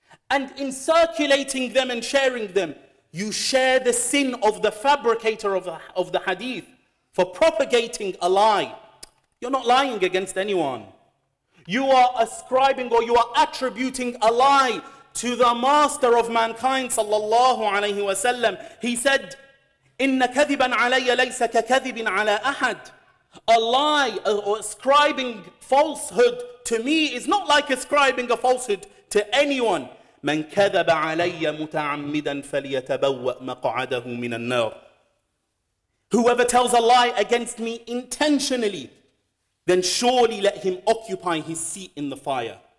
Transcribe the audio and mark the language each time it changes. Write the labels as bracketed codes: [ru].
[en] And in circulating them and sharing them, you share the sin of the fabricator of the hadith for propagating a lie. You're not lying against anyone. You are ascribing or you are attributing a lie to the master of mankind, sallallahu alayhi wa sallam. He said, [ar] إِنَّ كَذِبًا عَلَيَّ لَيْسَ كَكَذِبٍ عَلَىٰ أَحَدٍ. [en] A lie, or ascribing falsehood to me is not like ascribing a falsehood to anyone. [ar] مَنْ كَذَبَ عَلَيَّ مُتَعَمِّدًا فَلْيَتَبَوَّأْ مَقْعَدَهُ مِنَ النَّارِ. [en] Whoever tells a lie against me intentionally, then surely let him occupy his seat in the fire.